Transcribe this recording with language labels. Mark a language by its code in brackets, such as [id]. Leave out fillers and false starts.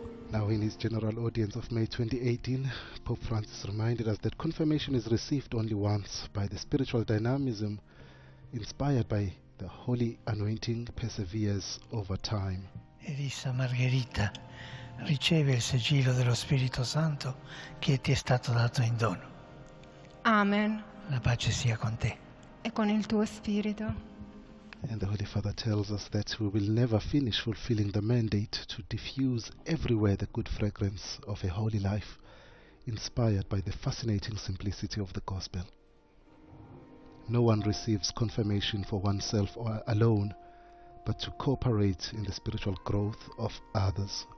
[en] Now in his general audience of May 2018, Pope Francis reminded us that confirmation is received only once by the spiritual dynamism inspired by the holy anointing perseveres over time. [it] Elisa Margherita, riceve il sigillo dello Spirito Santo che ti è stato dato in dono. Amen. La pace sia con te. E con il tuo spirito. [en] And the Holy Father tells us that we will never finish fulfilling the mandate to diffuse everywhere the good fragrance of a holy life inspired by the fascinating simplicity of the gospel. No one receives confirmation for oneself or alone, but to cooperate in the spiritual growth of others.